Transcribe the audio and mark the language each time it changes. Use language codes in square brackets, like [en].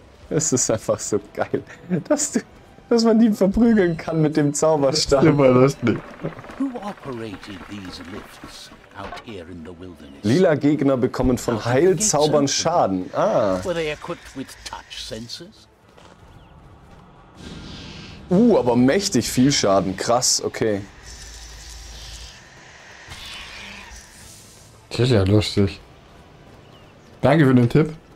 [de] Es ist einfach so geil, dass man die verprügeln kann mit dem Zauberstab. Das ist immer lustig. [en] Who operated these lifts out here in the wilderness? [de] Lila Gegner bekommen von Heilzaubern Schaden. Ah. [en] Were they equipped with touch sensors? [de] Aber mächtig viel Schaden. Krass, okay. Das ist ja lustig. Danke für den Tipp.